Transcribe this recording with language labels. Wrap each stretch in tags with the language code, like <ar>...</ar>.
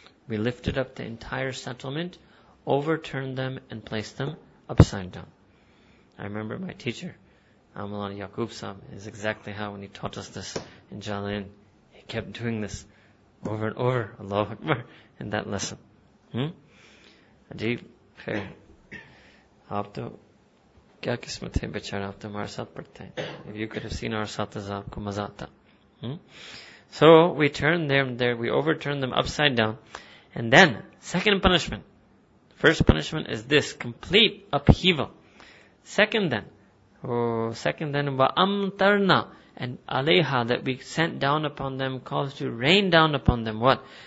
<en>We lifted up the entire settlement, overturned them and placed them upside down. I remember my teacher, Amalan Yaqub Sam, is exactly how when he taught us this in Jalin, he kept doing this over and over, Allahu Akbar, in that lesson.</en> <ur>عجیب، خیر۔ آپ تو، کیا قسمت ہے بیچارہ، آپ تو ہمارے ساتھ پڑھتے ہیں۔</ur> <en>If you could have seen our</en> <ur>saath, aapko maza aata.</ur> <en>So, we turned them there, we overturned them upside down, and then, second punishment. First punishment is this, complete upheaval. Second then, وَأَمْتَرْنَا and عَلَيْهَا, that we sent down upon them, caused to rain down upon them, what?</en>